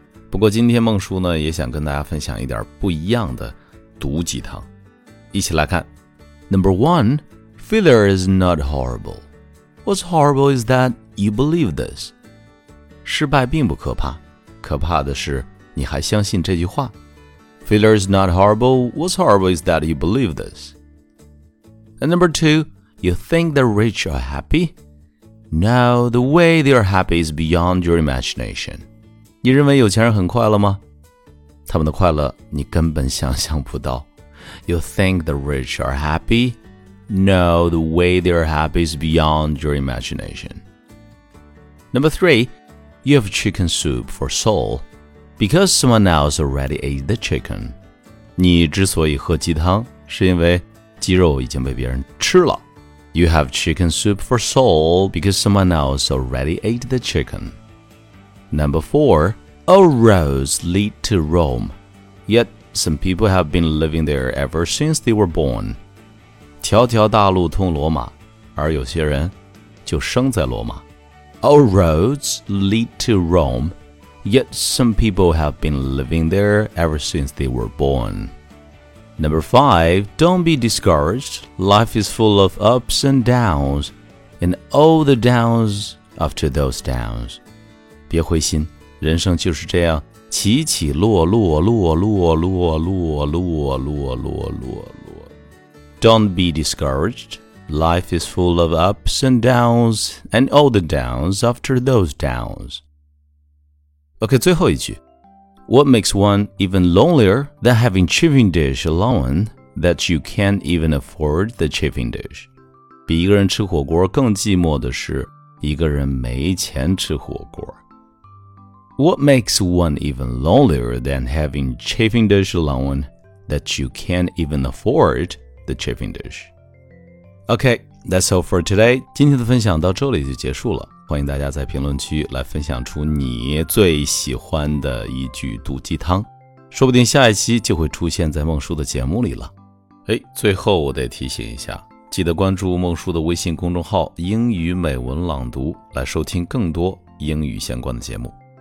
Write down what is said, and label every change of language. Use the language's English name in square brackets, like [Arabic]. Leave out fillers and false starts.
[Chinese] 不过今天孟叔呢，也想跟大家分享一点不一样的毒鸡汤，一起来看。 [English] Number one, failure is not horrible. What's horrible is that you believe this. [Chinese] 失败并不可怕，可怕的是你还相信这句话。 [English] Failure is not horrible. What's horrible is that you believe this. And number two, you think the rich are happy? No, the way they are happy is beyond your imagination. [Chinese] 你认为有钱人很快乐吗？他们的快乐你根本想象不到。 [English] You think the rich are happy? No, the way they are happy is beyond your imagination. Number three, you have chicken soup for soul because someone else already ate the chicken. [Chinese] 你之所以喝鸡汤是因为鸡肉已经被别人吃了。 [English] You have chicken soup for soul because someone else already ate the chicken. Number four, all roads lead to Rome, yet,Some people have been living there ever since they were born. [Chinese] 条条大路通罗马，而有些人就生在罗马。 [English] All roads lead to Rome, yet some people have been living there ever since they were born. Number five, don't be discouraged. Life is full of ups and downs, and all the downs after those downs. [Chinese] 别灰心，人生就是这样。起起落落落落落落落落落落落 [English] Don't be discouraged. Life is full of ups and downs, and all the downs after those downs. [Chinese] OK, 最后一句 [English] What makes one even lonelier than having chafing dish alone that you can't even afford the chafing dish? [Chinese] 比一个人吃火锅更寂寞的是一个人没钱吃火锅。 [English] What makes one even lonelier than having chafing dish alone that you can't even afford the chafing dish? Okay, that's all for today. [Chinese] 今天的分享到这里就结束了。欢迎大家在评论区来分享出你最喜欢的一句毒鸡汤。说不定下一期就会出现在孟叔的节目里了。哎，最后我得提醒一下，记得关注孟叔的微信公众号英语美文朗读，来收听更多英语相关的节目。